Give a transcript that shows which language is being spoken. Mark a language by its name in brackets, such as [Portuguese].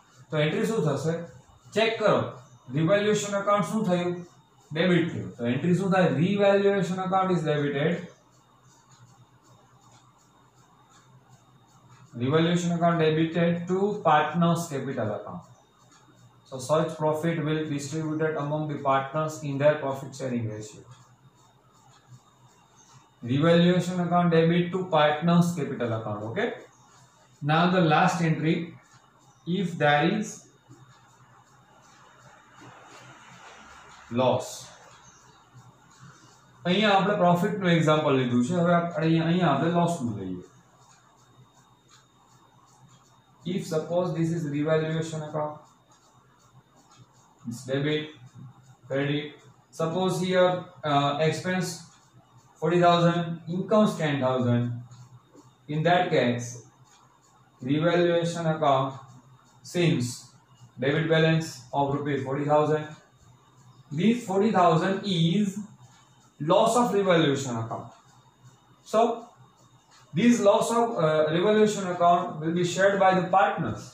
[Gujarati] તો એન્ટ્રી શું થશે ચેક કરો, રિવેલ્યુએશન અકાઉન્ટ શું થયું, ડેબિટ થયું. તો એન્ટ્રી શું થાય, [English] Revaluation account is debited, revaluation account debited to partners capital account. So such profit will be distributed among the partners in their profit sharing ratio. Revaluation account debit to partners capital account. Okay. Now the last entry, if there is loss. [Gujarati] અહીંયા આપણે profit નું example લીધું છે, હવે અહીંયા આપણે loss નું લઈએ. [English] If suppose this is revaluation account. Debit, credit, suppose here expense 40,000, income 10,000, in that case revaluation account seems debit balance of rupees 40,000, this 40,000 is loss of revaluation account, so this loss of revaluation account will be shared by the partners.